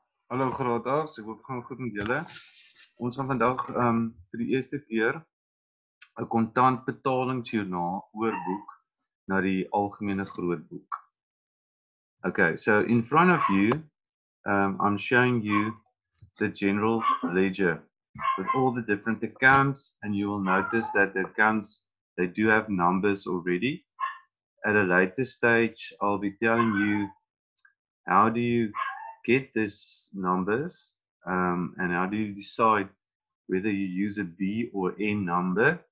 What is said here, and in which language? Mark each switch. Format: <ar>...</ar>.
<af>Hallo grootouers, ek hoop gaan goed met julle. Ons gaan vandag vir die eerste keer 'n kontantbetalingsjoernaal oorboek na die algemene grootboek.</af> <en>Okay, so in front of you, I'm showing you the general ledger with all the different accounts, and you will notice that the accounts, they do have numbers already. At a later stage, I'll be telling you how do you get these numbers, and how do you decide whether you use a B or N number?</en>